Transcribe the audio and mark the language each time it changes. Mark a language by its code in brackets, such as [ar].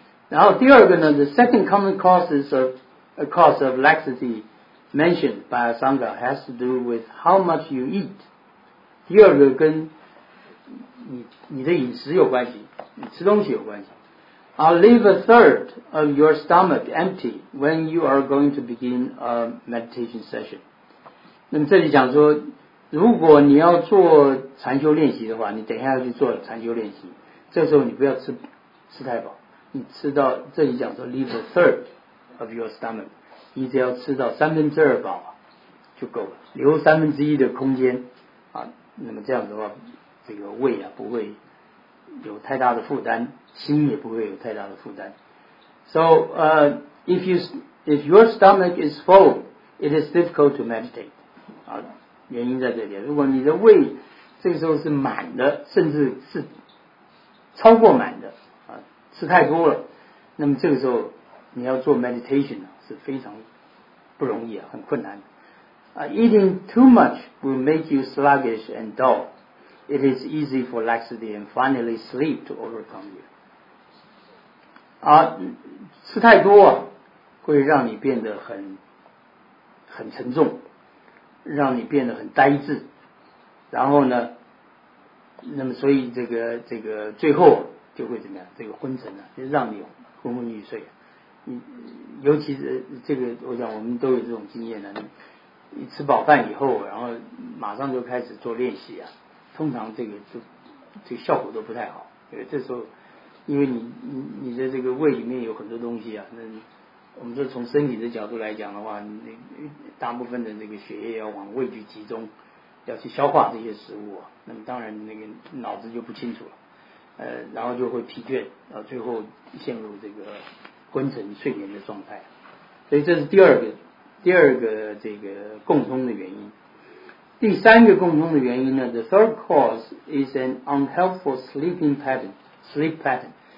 [en] 然后第二个呢 the second common cause of laxity mentioned by Asanga has to do with how much you eat 第二个跟你的饮食有关系你吃东西有关系 I'll leave a third of your stomach empty when you are going to begin a meditation session. [zh] 那么这里讲说，如果你要做禅修练习的话，你等一下要去做禅修练习，这时候你不要吃太饱，你吃到这里讲说 leave a third of your stomach，你只要吃到三分之二饱就够了，留三分之一的空间啊。那么这样的话，这个胃啊不会有太大的负担，心也不会有太大的负担。 [en] So if your stomach is full, it is difficult to meditate. [zh] 啊，原因在这里。如果你的胃这个时候是满的，甚至是超过满的啊，吃太多了，那么这个时候你要做 meditation 是非常不容易啊，很困难的。 [en] Eating too much will make you sluggish and dull. It is easy for laxity and finally sleep to overcome you. [zh] 啊，吃太多啊，会让你变得很沉重，让你变得很呆滞，然后呢，那么所以这个最后就会怎么样？这个昏沉啊，就让你昏昏欲睡。尤其是这个，我想我们都有这种经验的。你吃饱饭以后，然后马上就开始做练习啊，通常这个效果都不太好。因为这时候，因为你的这个胃里面有很多东西啊，那我们说从身体的角度来讲的话，那大部分的这个血液要往胃去集中，要去消化这些食物啊，那么当然那个脑子就不清楚了，然后就会疲倦，然后最后陷入这个昏沉睡眠的状态。所以这是第二个这个共通的原因。第三个共通的原因呢， the third cause is an unhelpful sleep pattern.